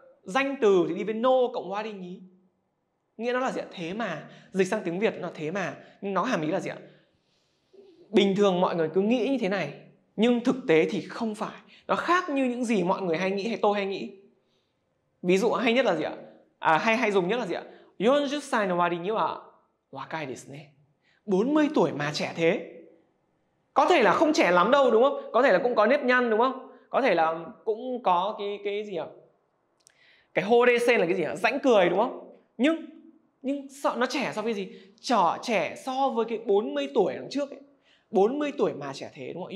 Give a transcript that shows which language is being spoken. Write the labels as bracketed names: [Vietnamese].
[Vietnamese] Danh từ thì đi với no cộng Wari nhí. Nghĩa nó là gì ạ? Thế mà. Dịch sang tiếng Việt nó thế mà. Nhưng nó hàm ý là gì ạ? Bình thường mọi người cứ nghĩ như thế này, nhưng thực tế thì không phải. Nó khác như những gì mọi người hay nghĩ hay tôi hay nghĩ. Ví dụ hay nhất là gì ạ? À, hay dùng nhất là gì ạ? [Japanese] 40歳の割には若いですね. [Vietnamese] 40 tuổi mà trẻ thế. Có thể là không trẻ lắm đâu đúng không? Có thể là cũng có nếp nhăn đúng không? Có thể là cũng có cái gì ạ? Cái hô đê sen là cái gì ạ? Rãnh cười đúng không? Nhưng sợ nó trẻ so với gì? Trẻ so với cái 40 tuổi đằng trước ấy. 40 tuổi mà trẻ thế đúng không?